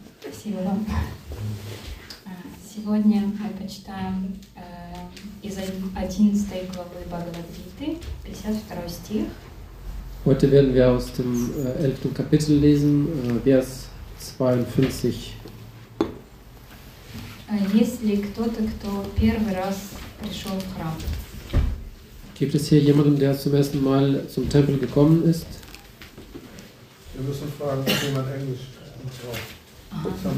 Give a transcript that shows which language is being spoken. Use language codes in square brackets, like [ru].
[ru] Спасибо вам. Сегодня мы почитаем из 11 главы Бхагавад-гиты, 52 стих. [de] Heute werden wir aus dem 11. Kapitel lesen, Vers 52. [ru] Если кто-то, кто первый раз пришел в храм. [de] Gibt es hier jemanden, der zum ersten Mal zum Tempel gekommen ist? Wir müssen fragen, ob jemand Englisch braucht.